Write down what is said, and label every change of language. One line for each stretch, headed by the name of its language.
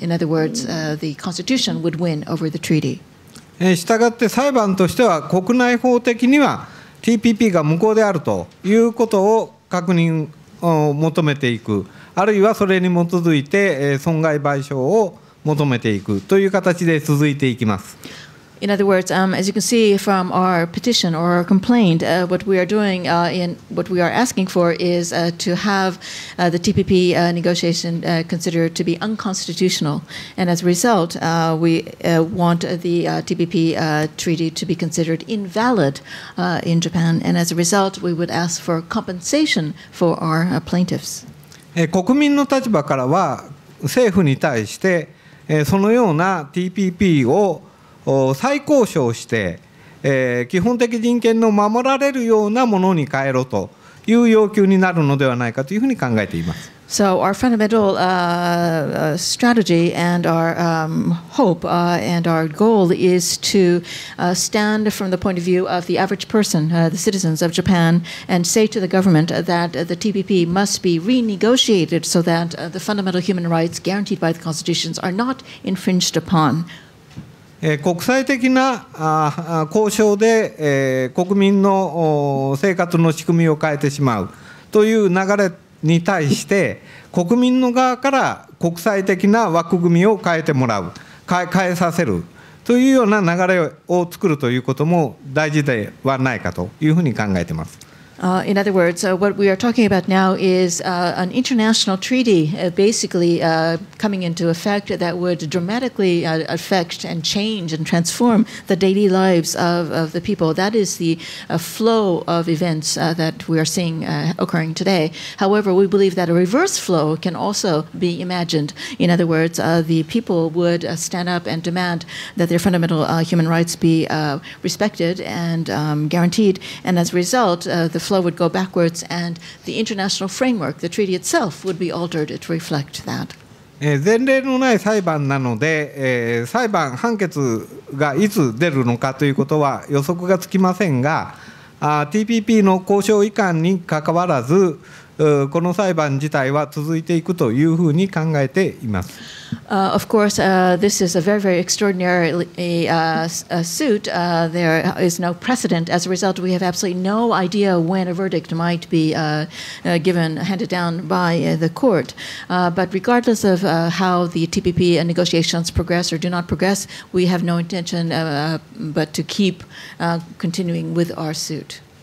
English: In other words, the Constitution would win over the treaty.
Japanese: したがって裁判としては国内法的にはTPP が無効であるということを確認を求めていく、あるいはそれに基づいて損害賠償を求めていくという形で続いていきます。
English: In other words, as you can see from our petition or our complaint, what we are doing in what we are asking for is to have the TPP negotiation considered to be unconstitutional. And as a result, we want the TPP treaty to be considered invalid in Japan. And as a result, we would ask for compensation for our plaintiffs.
Japanese: 国民の立場からは政府に対して、そのような TPP を再交渉して、基本的人権の守られるようなものに変えろという要求になるのではないかというふうに考えています。
English: So our fundamental strategy and our hope and our goal is to stand from the point of view of the average person, the citizens of Japan, and say to the government that the TPP must be renegotiated so that the fundamental human rights guaranteed by the constitutions are not infringed upon.
Japanese: 国際的な交渉で国民の生活の仕組みを変えてしまうという流れに対して国民の側から国際的な枠組みを変えてもらう、変えさせるというような流れを作るということも大事ではないかというふうに考えています。
English: In other words, what we are talking about now is an international treaty basically coming into effect that would dramatically affect and change and transform the daily lives of the people. That is the flow of events that we are seeing occurring today. However, we believe that a reverse flow can also be imagined. In other words, the people would stand up and demand that their fundamental human rights be respected and guaranteed. And as a result, the flow would go backwards and the international framework, the treaty itself, would be altered to reflect that.
Japanese: 前例のない裁判なので、裁判判決がいつ出るのかということは予測がつきませんが、TPP の交渉以下にかかわらず、この裁判自体は続いていくというふうに考えています。
English: Of course, this is a very, very extraordinary suit. There is no precedent. As a result, we have absolutely no idea when a verdict might be given, handed down by the court. But regardless of how the TPP negotiations progress or do not progress, we have no intention but to keep continuing with our suit.